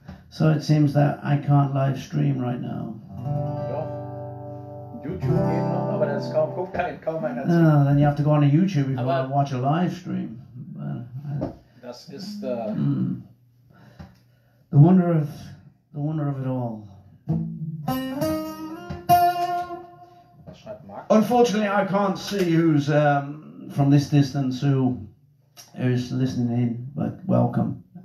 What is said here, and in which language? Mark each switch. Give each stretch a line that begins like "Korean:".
English: So it seems that I can't live stream right now.
German: Doch. YouTube eben noch, aber das guckt kaum einer
English: zu. Oh, then you have to go on a YouTube before you watch a live stream.
German: Das ist
English: the wonder of it all. Unfortunately, I can't see who's from this distance who's listening in, but welcome.